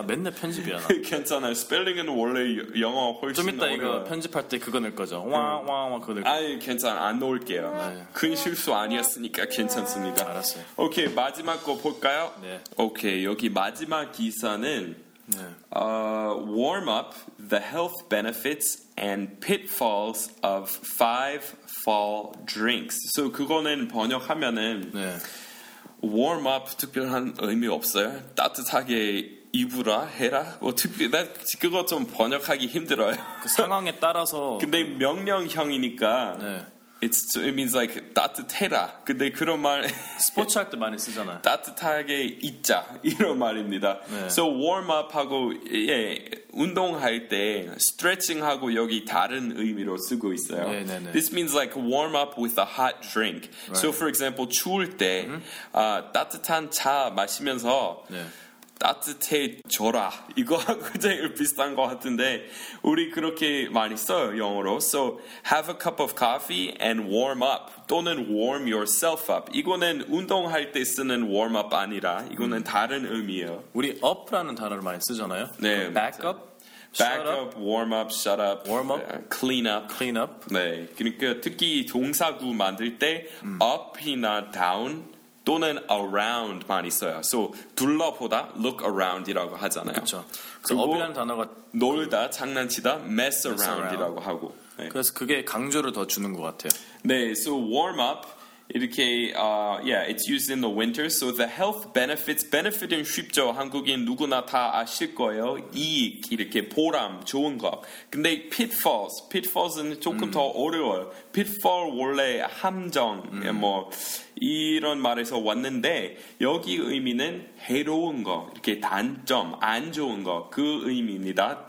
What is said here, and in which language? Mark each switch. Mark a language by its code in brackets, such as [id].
[ko] 아, 맨날 편집이야. 괜찮아. 스펠링은 원래 영어 훨씬 좀 이따 이거 편집할 때 그거 넣을 거죠. 와와와 그거 넣을 거죠. 아니, 괜찮아. 안 넣을게요. 큰 실수 아니었으니까 괜찮습니다. 알았어요. 오케이, 마지막 거 볼까요? 네. 오케이, 여기 마지막 기사는 네. [en] Warm up the health benefits and pitfalls of five fall drinks. [ko] So 그거는 번역하면은 네. warm up 특별한 의미 없어요. 따뜻하게 입으라 해라. 뭐 특별 그거 좀 번역하기 힘들어요. 그 상황에 따라서. 근데 명령형이니까. 네. [en] It means like [ko] 따뜻해라. 근데 그런 말 스포츠 할 때 많이 쓰잖아. 따뜻하게 있자 이런 말입니다. 네. So warm up 하고 예 운동할 때 stretching 하고 여기 다른 의미로 쓰고 있어요. 네, 네, 네. [en] This means like warm up with a hot drink. Right. [ko] So for example, 추울 때 따뜻한 차 마시면서 네. 따뜻해져라. 이거하고 제일 비슷한 것 같은데 우리 그렇게 많이 써요, 영어로. [en] So, have a cup of coffee and warm up. [ko] 또는 [en] warm yourself up. [ko] 이거는 운동할 때 쓰는 warm up 아니라 이거는 다른 의미예요. 우리 up라는 단어를 많이 쓰잖아요. 네, back 맞아. up? [en] Back up, warm up, shut up, warm up, clean up, clean up. [ko] 네, 그러니까 특히 동사구 만들 때 up이나 down 또는 around 많이 써요. So 둘러보다 look around이라고 하잖아요. 그렇죠. 그래서 up이라는 단어가 놀다, 장난치다, mess around이라고 하고. 네. 그래서 그게 강조를 더 주는 것 같아요. [en] 네, so warm up 이렇게 it's used in the winter. So the health benefits, benefit은 쉽죠. [ko] 한국인 누구나 다 아실 거예요. 이익 이렇게 보람 좋은 거. 근데 pitfalls은 조금 더 어려워요. Pitfall 원래 함정 뭐 이런 말에서 왔는데 여기 의미는 해로운 거 이렇게 단점 안 좋은 거 그 의미입니다.